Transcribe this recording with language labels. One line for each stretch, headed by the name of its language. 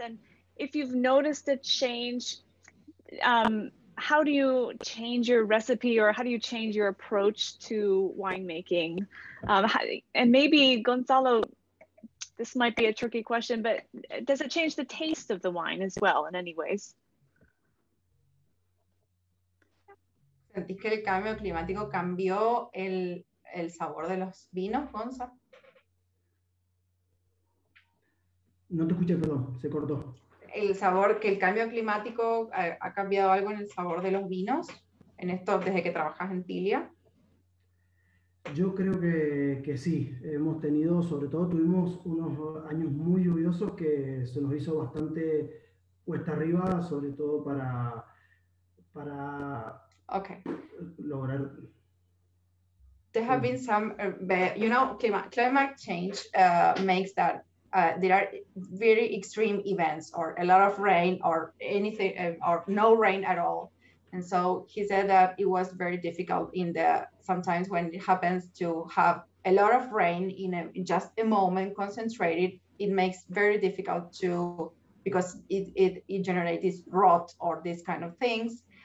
English: And if you've noticed a change, how do you change your recipe or how do you change your approach to winemaking? And maybe Gonzalo, this might be a tricky question, but does it change the taste of the wine as well in any ways?
Spanish: ¿Sentís que el cambio climático cambió el sabor de los vinos, Gonza? No te escuché, perdón, se cortó. ¿El sabor, que el cambio climático ha cambiado algo en el sabor de los vinos en esto desde que trabajas en TILIA? Yo creo que sí, hemos tenido, sobre todo tuvimos unos años muy lluviosos que se nos hizo bastante cuesta arriba, sobre todo para
English: okay.
Spanish: Lograr.
English: There have been some, you know, climate change makes that there are very extreme events or a lot of rain or anything or no rain at all. And so he said that it was very difficult in the sometimes when it happens to have a lot of rain in just a moment concentrated, it makes very difficult to, because it generates this rot or these kind of things.